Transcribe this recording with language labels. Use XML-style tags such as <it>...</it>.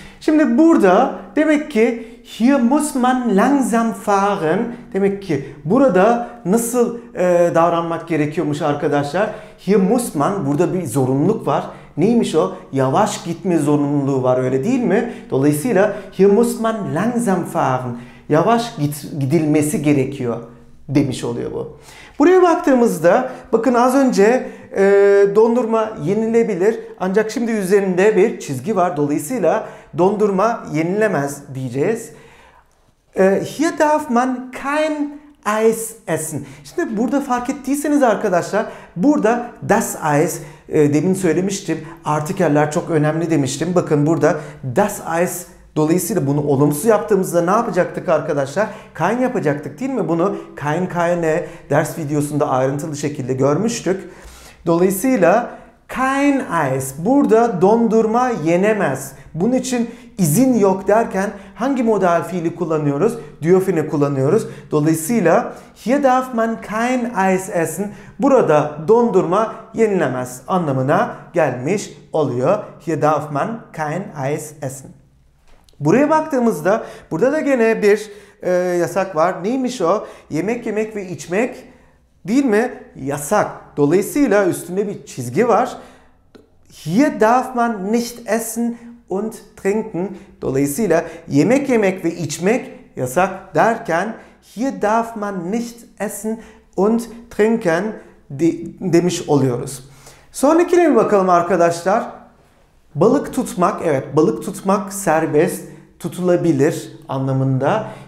<tr>Şimdi burada demek ki</tr> <de>hier muss man langsam fahren.</de> <tr>Demek ki burada nasıl davranmak gerekiyormuş arkadaşlar.</tr> <de>Hier muss man,</de> <tr>burada bir zorunluluk var. Neymiş o? Yavaş gitme zorunluluğu var, öyle değil mi? Dolayısıyla</tr> <de>hier muss man langsam fahren.</de> <tr>Yavaş gidilmesi gerekiyor demiş oluyor bu. Buraya baktığımızda bakın az önce dondurma yenilebilir. Ancak şimdi üzerinde bir çizgi var. Dolayısıyla dondurma yenilemez diyeceğiz.</tr> <de>Hier darf man kein Eis essen.</de> <tr>Şimdi burada fark ettiyseniz arkadaşlar burada das Eis, demin söylemiştim. Artikeller çok önemli demiştim. Bakın burada das Eis, dolayısıyla bunu olumsuz yaptığımızda ne yapacaktık arkadaşlar? Kein yapacaktık değil mi? Bunu kein, keine ders videosunda ayrıntılı şekilde görmüştük. Dolayısıyla</tr> <de>Kein Eis.</de> <tr>Burada dondurma yenemez. Bunun için izin yok derken hangi modal fiili kullanıyoruz? Dürfen'i kullanıyoruz. Dolayısıyla</tr> <de>hier darf man kein Eis essen.</de> <tr>Burada dondurma yenilemez anlamına gelmiş oluyor.</tr> <de>Hier darf man kein Eis essen.</de> <tr>Buraya baktığımızda burada da gene bir yasak var. Neymiş o? Yemek yemek ve içmek değil mi? Yasak. Dolayısıyla üstünde bir çizgi var.</tr> <de>Hier darf man nicht essen und trinken.</de> <tr>Dolayısıyla yemek yemek ve içmek yasak derken</tr> <de>hier darf man nicht essen und trinken</de> <tr>demiş oluyoruz. Sonrakine bir bakalım arkadaşlar. Balık tutmak, evet balık tutmak serbest tutulabilir anlamında.</tr>